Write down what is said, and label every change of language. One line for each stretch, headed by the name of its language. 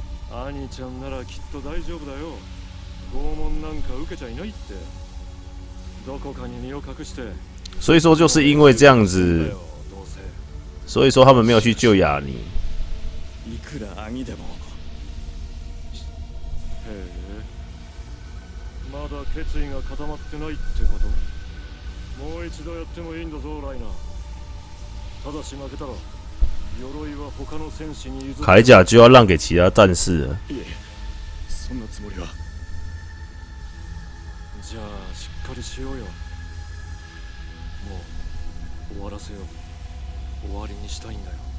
Japanese: 兄ちゃんならきっと大丈夫だよ。拷問なんか受けちゃいないって。どこかに身を隠して。
Chinese: 所以说就是因为这样子，所以说他们没有去救亚尼。
Japanese: いくら兄でも。へえ。まだ決意が固まってないってこと。もう一度やってもいいんだぞライナ。ただし負けたら。
Chinese: 铠甲就要让给其他战士了。
Japanese: そんなつもりは。じゃあしっかりしようよ。もう終わらせよう。終わりにしたいんだよ。